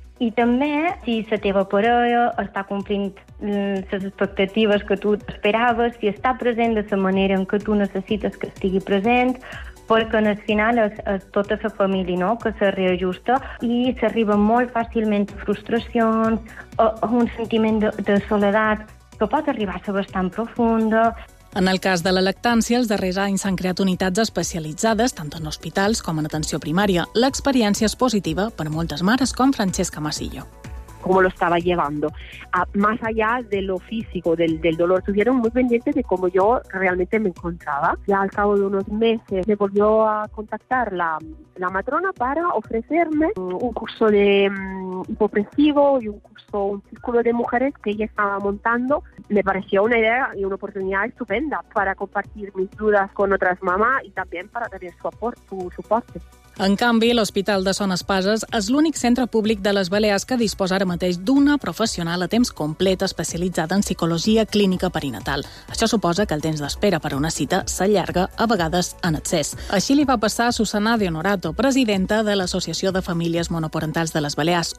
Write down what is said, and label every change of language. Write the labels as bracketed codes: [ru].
[ca] I també, si la teva parella està complint les expectatives que tu esperaves, si està present de la manera en què tu necessites que estigui present, perquè al final és tota la família, no?, que se reajusta i s'arriba molt fàcilment a frustracions, a un sentiment de soledat que pot arribar a ser bastant profunda. En el cas de la lactància, els darrers anys s'han creat unitats especialitzades tant en hospitals com en atenció primària. L'experiència és positiva per a moltes mares com Francesca Masillo. [es] Cómo lo estaba llevando, más allá de lo físico, del dolor, estuvieron muy pendientes de cómo yo realmente me encontraba. Ya al cabo de unos meses me volvió a contactar la matrona para ofrecerme un curso de hipopresivo y un círculo de mujeres que ella estaba montando. Me pareció una idea y una oportunidad estupenda para compartir mis dudas con otras mamás y también para tener su soporte. [ca] En canvi, l'Hospital de Son Espases és l'únic centre públic de les Balears que disposa ara mateix d'una professional a temps complet especialitzada en psicologia clínica perinatal. Això suposa que el temps d'espera per a una cita s'allarga, a vegades en excés. Així li va passar a Susana de Honorato, presidenta de l'Associació de Famílies Monoparentals de les Balears.